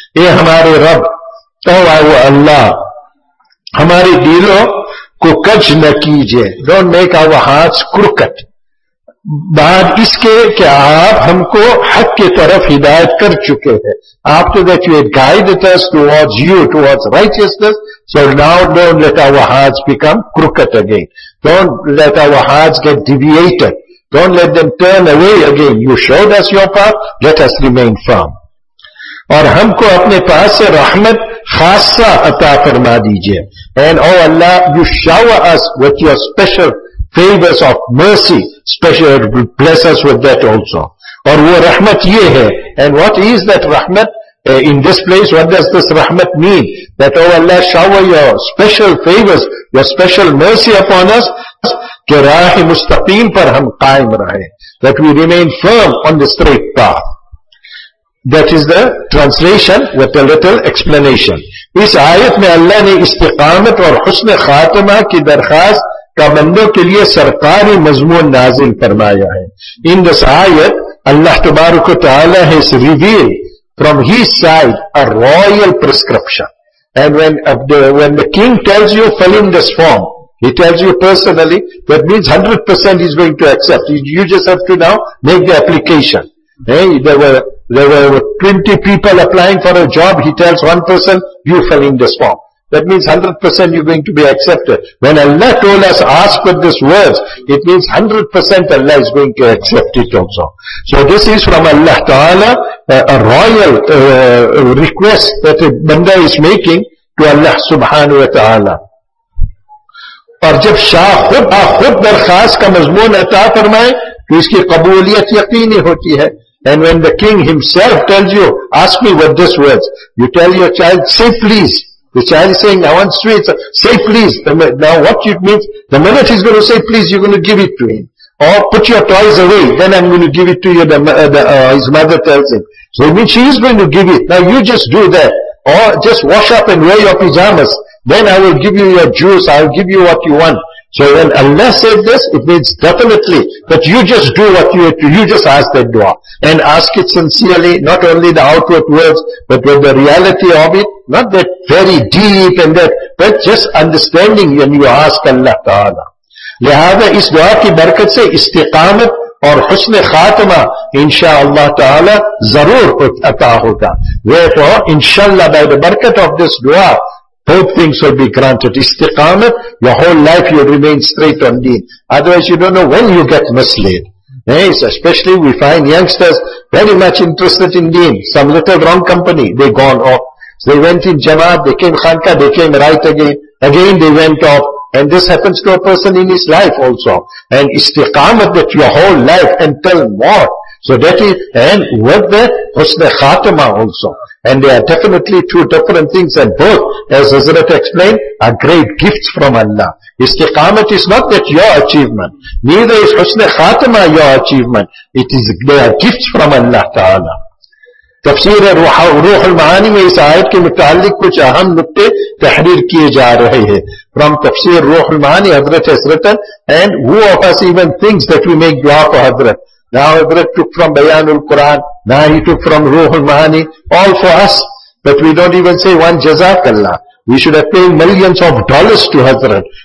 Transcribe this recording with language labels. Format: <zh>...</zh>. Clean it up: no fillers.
<ur>Eh, hamare Rab, tawawu Allah, hamare dilo ko kaj na kijiye.</ur> <en>Don't make our hearts crooked.</en> <ur>بعد اس کے کہ آپ ہم کو حق کے طرف ہدایت کر چکے ہیں</ur> <en>after that you had guided us towards you, towards righteousness, so now don't let our hearts become crooked again, don't let our hearts get deviated, don't let them turn away again, you showed us your path, let us remain firm.</en> <ur>اور ہم کو اپنے پاس سے رحمت خاصہ عطا فرما دیجئے.</ur> <en>And oh Allah, you shower us with your special favors of mercy, special bless us with that also.</en> <ur>Or wo rahmat ye hai.</ur> <en>And what is that rahmat in this place? What does this rahmat mean? That oh Allah, shower your special favors, your special mercy upon us,</en> <ur>کہ راہ مستقیم پر ہم قائم رہیں.</ur> <en>That we remain firm on the straight path. That is the translation with a little explanation.</en> <ur>اس آیت میں اللہ نے استقامت اور حسن خاتمہ کی درخواست کا بندوں کے لیے سرکاری مضمون نازل فرمایا ہے.</ur> <en>In this آیت اللہ تبارک و تعالی has revealed from his side a royal prescription. And when the king tells you, fill in this form, he tells you personally, that means 100% he's going to accept. You just have to now make the application. Hey, there were 20 people applying for a job, he tells one person, you fill in this form. That means 100% you're going to be accepted. When Allah told us, ask with these words, it means 100% Allah is going to accept it also. So this is from Allah Ta'ala, a royal request that a banda is making to Allah Subhanahu Wa Ta'ala.</en> <ur>اور جب شاہ خود بخود درخواست کا مضمون عطا فرمائے تو اس کی قبولیت یقینی ہوتی ہے.</ur> <en>And when the king himself tells you ask me with this words you tell your child say please the child saying I want sweets say please now what it means the minute he is going to say please you going to give it to him or put your toys away then I am going to give it to you his mother tells him so means she is going to give it now you just do that or just wash up and wear your pyjamas Then I will give you your juice, I will give you what you want. So when Allah said this, it means definitely that you just do what you have to, you just ask that dua. And ask it sincerely, not only the outward words, but with the reality of it, not that very deep and that, but just understanding when you ask Allah Ta'ala.</en> <ur>لہذا اس دعا کی برکت سے استقامت اور حسن خاتمہ انشاءاللہ تعالی ضرور عطا ہوگا.</ur> <en>Therefore, انشاءاللہ by the برکت of this dua, both things will be granted. Istiqamah, your whole life you remain straight on deen. Otherwise you don't know when you get misled. Yes, especially we find youngsters very much interested in deen. Some little wrong company, they gone off. So they went in Jamaat, they came Khanka, they came right again. Again they went off. And this happens to a person in his life also. And istiqamah that your whole life until what? So that is, and with that, husna khatama also. And they are definitely two different things, and both, as Hazrat explained, are great gifts from Allah. Istiqamat is not that your achievement. Neither is husna khatama your achievement. It is, they are gifts from Allah Ta'ala.</en> <ur>تفسیر روح المعانی میں اس آیت کے متعلق کچھ اہم نقطے تحریر کیے جا رہے ہیں.</ur> <en>From تفسیر روح المعانی حضرت حسرت and who of us even thinks that we make دعا for حضرت. Now Hazrat took from Bayan al-Quran, now he took from Ruh al-Mahani, all for us. But we don't even say one Jazakallah. We should have paid millions of dollars to Hazrat.</en>